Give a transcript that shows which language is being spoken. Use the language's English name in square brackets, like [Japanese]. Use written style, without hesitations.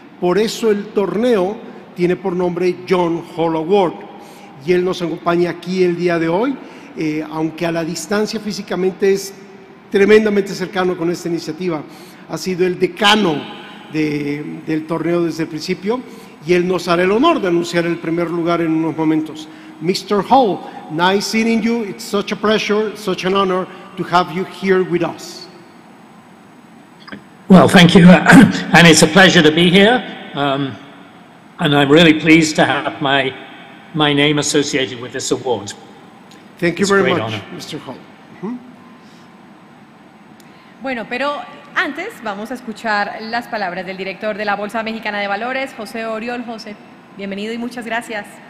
[Spanish] Por eso el torneo tiene por nombre John Hall Award y él nos acompaña aquí el día de hoy, aunque a la distancia físicamente es tremendamente cercano con esta iniciativa. Ha sido el decano del torneo desde el principio y él nos hará el honor de anunciar el primer lugar en unos momentos. [English] Mr. Hall, nice seeing you. It's such a pleasure, such an honor to have you here with us. Well, thank you. And it's a pleasure to be here. And I'm really pleased to have my name associated with this award. Thank you very much, Mr. Hall. [Spanish] Bueno, pero antes vamos a escuchar las palabras del director de la Bolsa Mexicana de Valores, José Oriol. José, bienvenido y muchas gracias.